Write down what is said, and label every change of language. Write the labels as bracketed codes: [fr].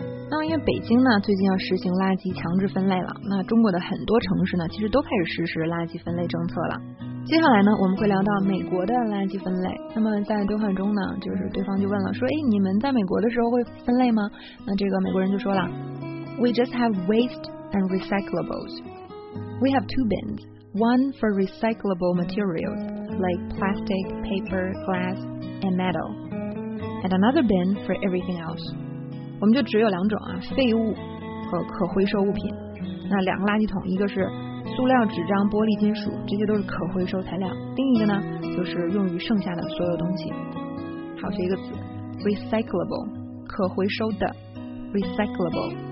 [zh] 那因为北京呢最近要实行垃圾强制分类了，那中国的很多城市呢其实都开始实施垃圾分类政策了。接下来呢我们会聊到美国的垃圾分类。那么在对话中呢，就是对方就问了说，哎，你们在美国的时候会分类吗？那这个美国人就说了， [en] We just have waste and recyclables. We have two bins, one for recyclable materials like plastic, paper, glass and metal, and another bin for everything else. [zh] 我们就只有两种啊，废物和可回收物品。那两个垃圾桶，一个是塑料、纸张、玻璃、金属，这些都是可回收材料，另一个呢就是用于剩下的所有东西。好，学一个词， recyclable， 可回收的， recyclable。